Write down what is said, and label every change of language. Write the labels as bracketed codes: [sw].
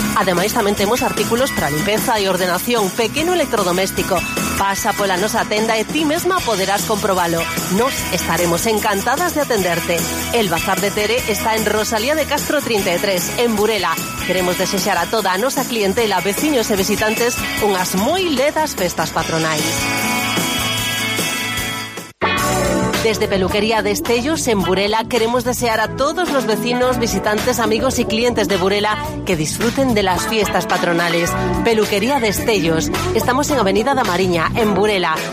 [gl] Ademais, tamén temos artículos para limpeza e ordenación, pequeno electrodoméstico. Pasa pola nosa tenda e ti mesma poderás comprobalo. Nos estaremos encantadas de atenderte. El Bazar de Tere está en Rosalía de Castro 33, en Burela. Queremos desexar a toda a nosa clientela, veciños e visitantes, unhas moi ledas festas patronais. [es] Desde Peluquería Destellos en Burela queremos desear a todos los vecinos, visitantes, amigos y clientes de Burela que disfruten de las fiestas patronales. Peluquería Destellos. Estamos en Avenida Damariña, en Burela.